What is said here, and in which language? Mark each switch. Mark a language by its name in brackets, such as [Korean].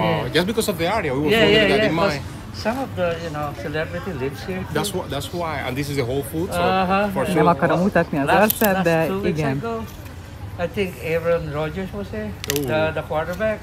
[English] wow, just because of the area, we were wondering that in mind. Some of the, you know, celebrity lives here too. That's why, and this is the Whole Foods? Uh-huh. [Hungarian] Sure. Nem akarom mutatni az ország, de igen. [English] I think Aaron Rodgers was there, the quarterback.